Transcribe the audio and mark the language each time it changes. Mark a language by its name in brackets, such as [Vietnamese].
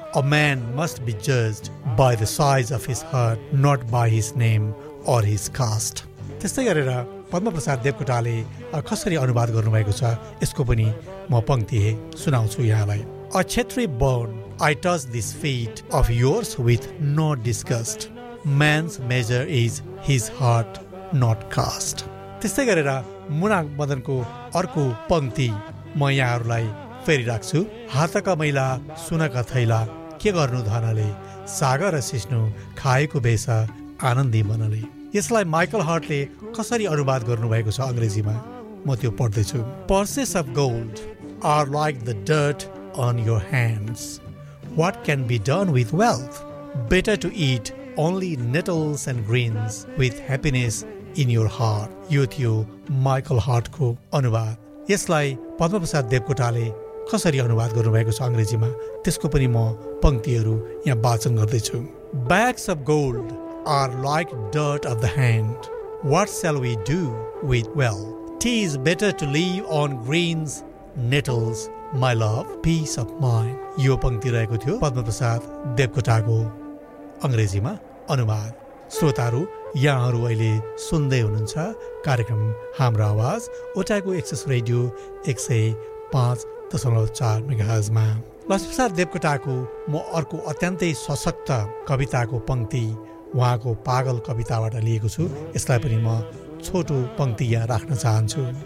[English] A man must be judged by the size of his heart, not by his name or his caste. [Nepali] त्यस्तै गरेर पद्मप्रसाद देवकोटाले कसरी अनुवाद गर्नुभएको छ यसको पनि म पंक्ति सुनाउँछु यहाँलाई। [English] A Chhetri born, I touch this feet of yours with no disgust. Man's measure is his heart, not caste. [Nepali] त्यस्तै गरेर मुना मदनको अर्को पंक्ति म यहाँहरूलाई फेरि राख्छु। हातका मैला सुनका थैला के गर्नु धनले, सागर सिस्नु खाएको बेस आनन्दी मनले। यसलाई माइकल हर्टले कसरी अनुवाद गर्नुभएको छ अङ्ग्रेजीमा म त्यो पढ्दैछु। [English] Purses of gold are like the dirt on your hands. What can be done with wealth? Better to eat only nettles and greens with happiness in your heart. [Nepali] यो थियो माइकल हर्टको अनुवाद। यसलाई पद्मप्रसाद देवकोटाले कसरी अनुवाद गर्नुभएको छ अङ्ग्रेजीमा त्यसको पनि म पंक्तिहरू यहाँ वाचन गर्दैछु। [English] Bags of gold are like dirt of the hand. What shall we do with wealth? Tis better to live on greens, nettles, my love, peace of mind. [Nepali] यो पंक्ति रहेको थियो पद्मप्रसाद देवकोटाको अङ्ग्रेजीमा अनुवाद। श्रोताहरू, यहाँहरू अहिले सुन्दै हुनुहुन्छ कार्यक्रम हाम्रो आवाज, ओटाको एक्सेस रेडियो 105.4 मेगाहर्जमा। लक्ष्मीप्रसाद देवकोटाको म अर्को अत्यन्तै सशक्त कविताको पंक्ति उहाँको पागल कविताबाट लिएको छु, यसलाई पनि म छोटो पंक्ति यहाँ राख्न चाहन्छु।